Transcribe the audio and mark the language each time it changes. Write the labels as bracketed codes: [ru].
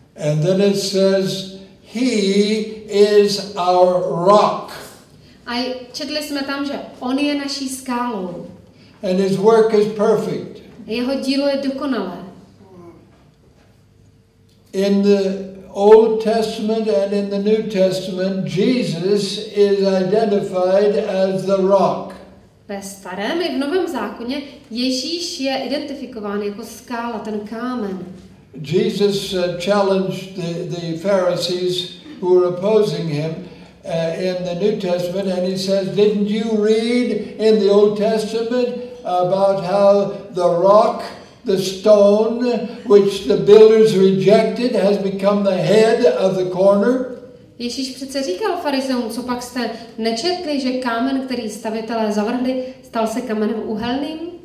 [en] And then it says, he is our rock. [cs] A četli jsme tam, že on je naší skálou. [en] And his work is perfect. [cs] Jeho dílo je dokonalé. [en] In the Old Testament and in the New Testament, Jesus is identified as the rock. [cs] Ve starém i v Novém zákoně Ježíš je identifikován jako skála, ten kámen. [en] Jesus challenged the Pharisees who were opposing him in the New Testament, and he says, didn't you read in the Old Testament about how the rock, the stone which the builders rejected has become the head of the corner? [cs] Ježíš přece říkal farizeům, co pak jste nečetli, že kámen, který stavitelé zavrhli, stal se kamenem úhelným?